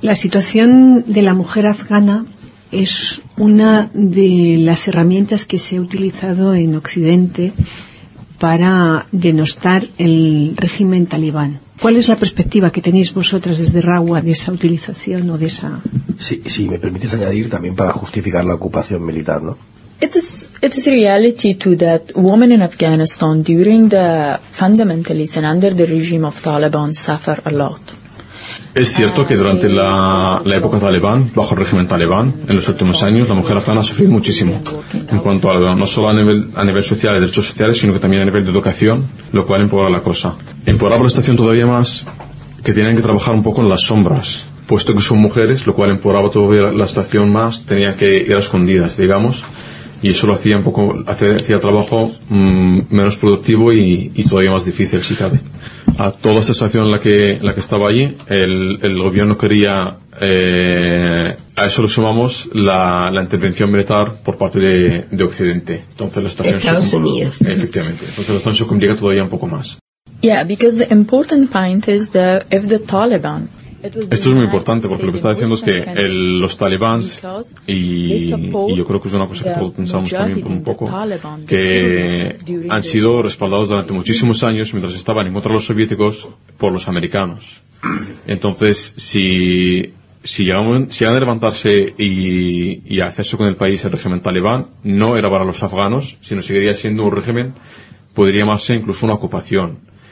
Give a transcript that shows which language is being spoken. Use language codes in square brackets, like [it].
[es] La situación de la mujer afgana es una de las herramientas que se ha utilizado en Occidente para denostar el régimen talibán. ¿Cuál es la perspectiva que tenéis vosotras desde Rawa de esa utilización o de esa...? Sí, me permites añadir también para justificar la ocupación militar, ¿no? [en] It's a reality too that women in Afghanistan during the fundamentalists and under the regime of Taliban suffer a lot. [es] Es cierto que durante la época talibán, bajo el régimen talibán, en los últimos años, la mujer afgana ha sufrido muchísimo. En cuanto a, no solo a nivel social y derechos sociales, sino que también a nivel de educación, lo cual empeora la cosa. Empeoraba la situación todavía más, que tenían que trabajar un poco en las sombras. Puesto que son mujeres, lo cual empeoraba todavía la situación más, tenían que ir a escondidas, digamos. Y eso lo hacía un poco, hacía trabajo menos productivo y todavía más difícil, si cabe. A toda esta situación en la que estaba allí, el gobierno quería, a eso lo sumamos, la intervención militar por parte de Occidente. Entonces la situación Estados Unidos. Efectivamente. Entonces la situación se complica todavía un poco más. [en] Yeah, because the important point is that if the Taliban... [es] Esto es muy importante porque lo que está diciendo es que los talibans, y yo creo que es una cosa que todos pensamos también por un poco, que han sido respaldados durante muchísimos años mientras estaban en contra de los soviéticos por los americanos. Entonces, si llegan a levantarse y a hacerse con el país el régimen talibán, no era para los afganos, sino seguiría siendo un régimen, podría llamarse incluso una ocupación.